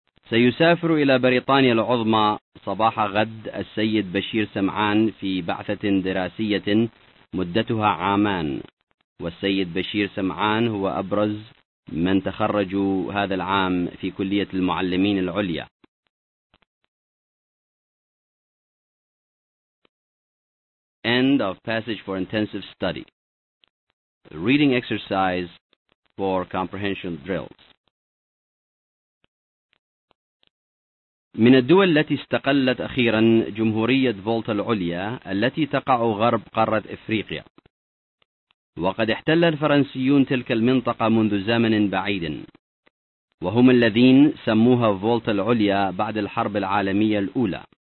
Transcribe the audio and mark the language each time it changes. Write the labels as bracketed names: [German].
[Arabic] سيسافر إلى بريطانيا العظمى صباح غد السيد بشير سمعان في بعثة دراسية مدتها عامان والسيد بشير سمعان هو أبرز من تخرجوا هذا العام في كلية المعلمين العليا [English] End of passage for intensive study. Reading exercise for comprehension drills. [Arabic] من الدول التي استقلت أخيرا جمهورية فولتا العليا التي تقع غرب قارة إفريقيا. وقد احتل الفرنسيون تلك المنطقة منذ زمن بعيد. وهم الذين سموها فولتا العليا بعد الحرب العالمية الأولى.